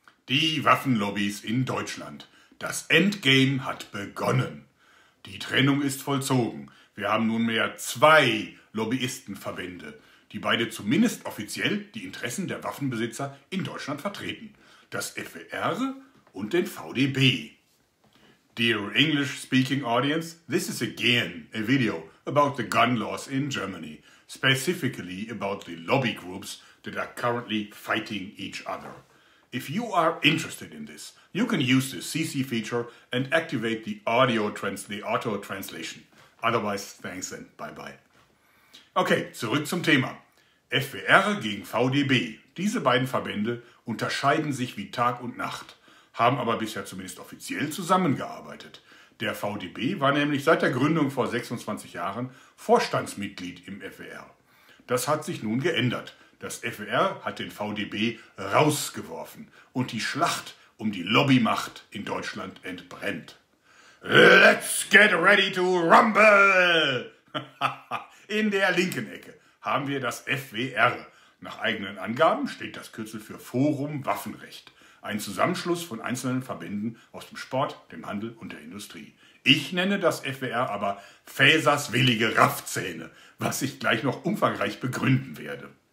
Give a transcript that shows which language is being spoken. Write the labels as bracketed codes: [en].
[de] Die Waffenlobbys in Deutschland. Das Endgame hat begonnen. Die Trennung ist vollzogen. Wir haben nunmehr zwei Lobbyistenverbände, die beide zumindest offiziell die Interessen der Waffenbesitzer in Deutschland vertreten. Das FWR und den VDB. [en] Dear English-speaking audience, this is again a video about the gun laws in Germany, specifically about the lobby groups that are currently fighting each other. If you are interested in this, you can use the CC feature and activate the auto translation. Otherwise, thanks and bye-bye. [de] Okay, zurück zum Thema. FWR gegen VDB. Diese beiden Verbände unterscheiden sich wie Tag und Nacht, haben aber bisher zumindest offiziell zusammengearbeitet. Der VDB war nämlich seit der Gründung vor 26 Jahren Vorstandsmitglied im FWR. Das hat sich nun geändert. Das FWR hat den VDB rausgeworfen und die Schlacht um die Lobbymacht in Deutschland entbrennt. [en] Let's get ready to rumble! [de] In der linken Ecke haben wir das FWR. Nach eigenen Angaben steht das Kürzel für Forum Waffenrecht. Ein Zusammenschluss von einzelnen Verbänden aus dem Sport, dem Handel und der Industrie. Ich nenne das FWR aber Fäsers willige Raffzähne, was ich gleich noch umfangreich begründen werde.